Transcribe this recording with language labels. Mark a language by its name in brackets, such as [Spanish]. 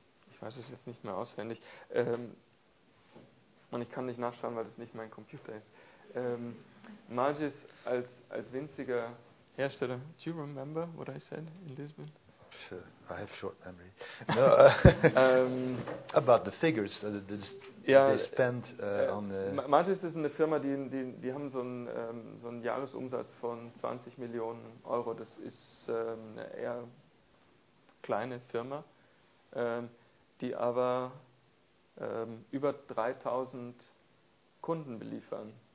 [German] Ich weiß es jetzt nicht mehr auswendig. Und ich kann nicht nachschauen, weil das nicht mein Computer ist. Magis als winziger Hersteller. [English] Do you remember what I said in Lisbon? Sure, I have short memory. No, about the figures. [German] Matis ist eine Firma, die haben so einen Jahresumsatz von 20 Millionen Euro. Das ist eine eher kleine Firma, die aber über 3000 Kunden beliefern.